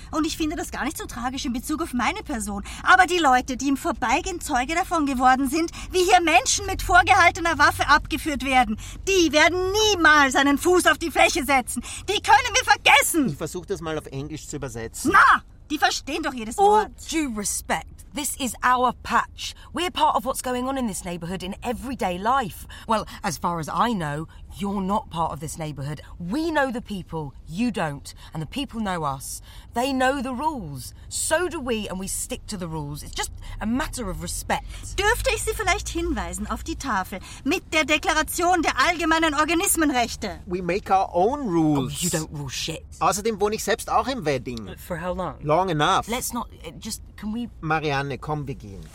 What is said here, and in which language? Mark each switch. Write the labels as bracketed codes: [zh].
[de] Und ich finde das gar nicht so tragisch in Bezug auf meine Person. Aber die Leute, die im Vorbeigehen Zeuge davon geworden sind, wie hier Menschen mit vorgehaltener Waffe abgeführt werden, die werden niemals einen Fuß auf die Fläche setzen. Die können wir vergessen. Ich versuche das mal auf Englisch zu übersetzen. Na, die verstehen doch jedes [en] All [de] Wort. [en] Due respect. This is our patch. We're part of what's going on in this neighborhood in everyday life. Well, as far as I know, you're not part of this neighborhood. We know the people, you don't. And the people know us. They know the rules. So do we, and we stick to the rules. It's just a matter of respect. [de] Dürfte ich Sie vielleicht hinweisen auf die Tafel mit der Deklaration der allgemeinen Organismenrechte? [en] We make our own rules. Oh, you don't rule shit. [de] Außerdem wohne ich selbst auch im Wedding. [en] For how long? Long enough. Let's not... just... can we... [de] Marianne, komm, wir gehen.